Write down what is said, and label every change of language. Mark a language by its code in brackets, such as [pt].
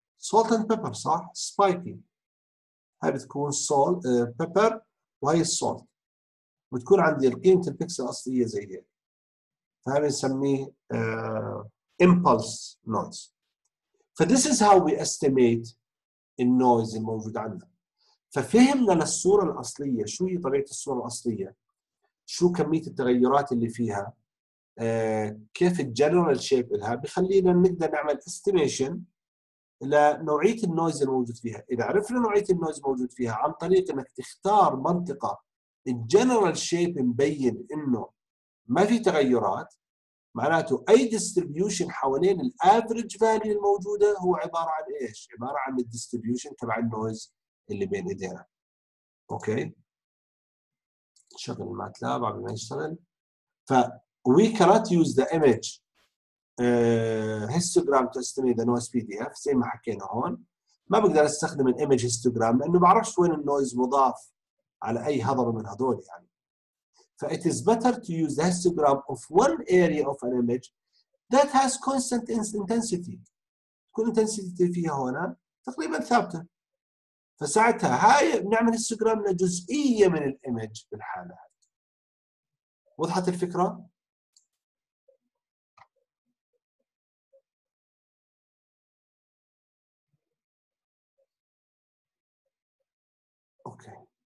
[ar] salt and pepper صح؟ spiky هاي بتكون salt pepper وهي salt بتكون عندي قيمة البكسل الأصلية زي هيك فهذا بنسميه impulse noise [en] فthis is how we estimate [ar] النويز الموجود عندنا. ففهمنا للصورة الأصلية شو هي طبيعة الصورة الأصلية، شو كمية التغيرات اللي فيها، كيف الجنرال شيب لها، بخلينا نقدر نعمل استيميشن لنوعية النويز الموجود فيها. إذا عرفنا نوعية النويز الموجود فيها عن طريق إنك تختار منطقة الجنرال شيب مبين إنه ما في تغيرات، معناته أي ديستريبيوشن حوالين الأفريج فالي الموجودة هو عبارة عن إيش؟ عبارة عن الديستريبيوشن تبع النويز اللي بين إيدينا. أوكي؟ شغل الماتلاب عم يشتغل. [en] ف we cannot use the image histogram to estimate the noise PDF [ar] زي ما حكينا هون. ما بقدر استخدم ال image histogram لأنه بعرفش وين النويز مضاف على أي هضبة من هذول يعني. [en] ف it is better to use the histogram of one area of an image that has constant intensity. [ar] تكون intensity فيها هون تقريبا ثابتة. فساعتها هاي بنعمل هيستوغرام لجزئية من الإيمج بالحالة هذه. وضحت الفكرة؟ أوكي.